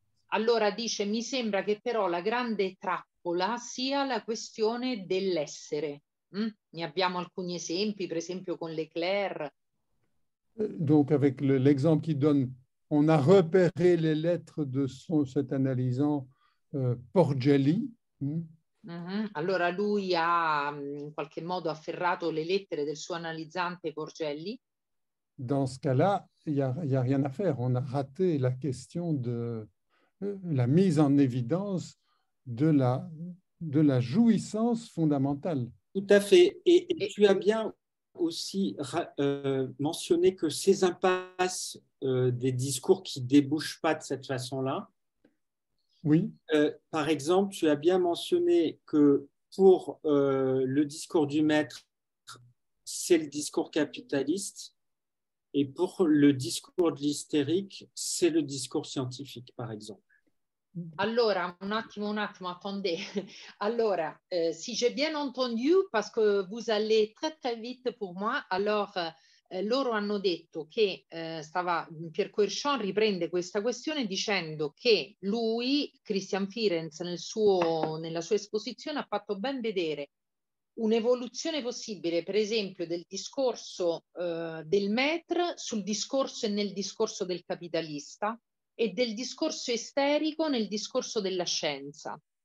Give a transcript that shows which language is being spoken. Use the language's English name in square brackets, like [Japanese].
[Italian] Allora dice, mi sembra che però la grande trappola sia la questione dell'essere. Ne abbiamo alcuni esempi, per esempio con Leclerc. [French] Donc avec l'exemple qu'il donne, on a repéré les lettres de cet analysant Porgelli. [Italian] Allora lui ha in qualche modo afferrato le lettere del suo analizzante Porgelli. [French] Dans ce cas-là, il y a rien à faire. On a raté la question de la mise en évidence de la jouissance fondamentale. Tout à fait. Et tu as bien aussi mentionné que ces impasses des discours qui débouchent pas de cette façon-là. Oui. Par exemple, tu as bien mentionné que pour le discours du maître, c'est le discours capitaliste, et pour le discours de l'hystérique, c'est le discours scientifique, par exemple. [Italian] Allora, un attimo, [French] attendez. [Italian] Allora, [French] si j'ai bien entendu, parce que vous allez très très vite pour moi, [Italian] alors loro hanno detto che Pierre Coerchon riprende questa questione dicendo che lui, Christian Firenze, nella sua esposizione ha fatto ben vedere un'evoluzione possibile, per esempio, del discorso del maître sul discorso e nel discorso del capitalista e del discorso esterico nel discorso della scienza.